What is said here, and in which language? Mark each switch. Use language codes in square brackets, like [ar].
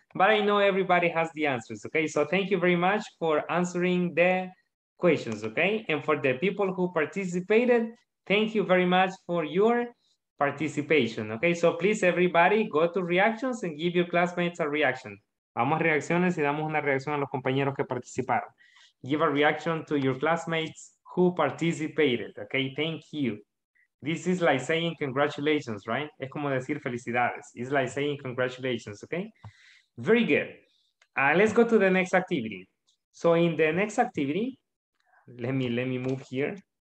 [en] But I know everybody has the answers, okay? So thank you very much for answering the questions, okay? And for the people who participated, thank you very much for your participation, okay? So please, everybody, go to reactions and give your classmates a reaction. [es] Vamos a reacciones y damos una reacción a los compañeros que participaron. [en] Give a reaction to your classmates who participated, okay? Thank you. This is like saying congratulations, right? [es] Es como decir felicidades. [en] It's like saying congratulations, okay? Very good. Let's go to the next activity. So in the next activity, let me move here.